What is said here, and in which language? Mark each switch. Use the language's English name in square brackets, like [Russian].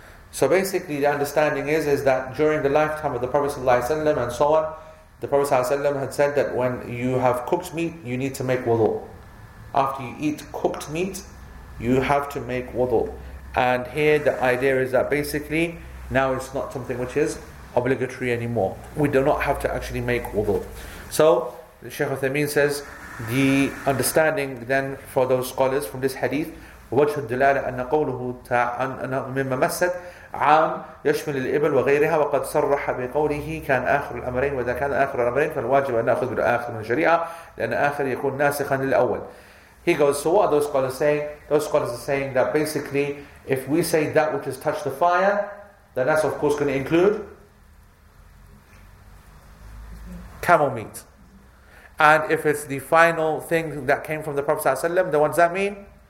[English] So basically the understanding is that during the lifetime of the Prophet ﷺ and so on, the Prophet ﷺ had said that when you have cooked meat, you need to make wudu. After you eat cooked meat, you have to make wudu. And here the idea is that basically, now it's not something which is obligatory anymore. We do not have to actually make wudu. So, Shaykh Uthaymeen says, the understanding then for those scholars from this hadith, [Arabic] وَوَجْهُ الدَّلَالَ أَنَّ قَوْلُهُ مِمَّا مَسَّدْ عام يشمل الإبل وغيرها وقد صرح بقوله كان آخر الأمرين وإذا كان آخر الأمرين فالواجب أن نأخذ بالآخر من الشريعة لأن آخر يكون ناسخا للأول. [English] He goes, so what are those scholars saying? Those scholars are saying that basically if we say that which has touched the fire, then that's of course going to include camel meat. And if it's the final thing that came from the Prophet ﷺ, then what does that mean?